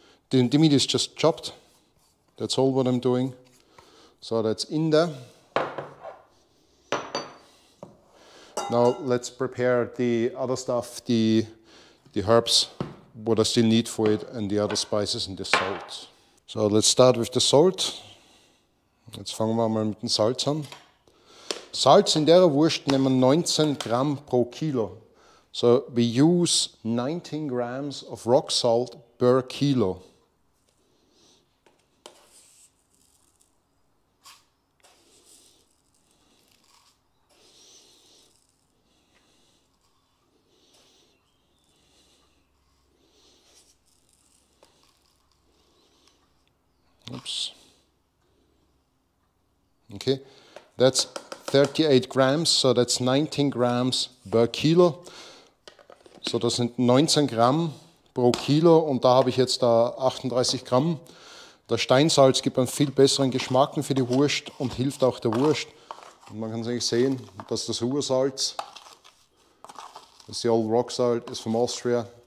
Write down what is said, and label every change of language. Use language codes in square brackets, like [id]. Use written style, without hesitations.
[en] The meat is just chopped. That's all what I'm doing. So that's in there. Now let's prepare the other stuff, the herbs, what I still need for it, and the other spices and the salt. So let's start with the salt. [de] Jetzt fangen wir mal mit dem Salz an. Salz in der Wurst nehmen 19 Gramm pro Kilo. [en] So we use 19 grams of rock salt per kilo. Oops. Okay, that's 38 grams, so that's 19 grams per kilo. [de] So das sind 19 Gramm pro Kilo und da habe ich jetzt da 38 Gramm. Das Steinsalz gibt einen viel besseren Geschmack für die Wurst und hilft auch der Wurst. Und man kann eigentlich sehen, dass das Ursalz, das ist die Old Rock Salt, ist von Austria.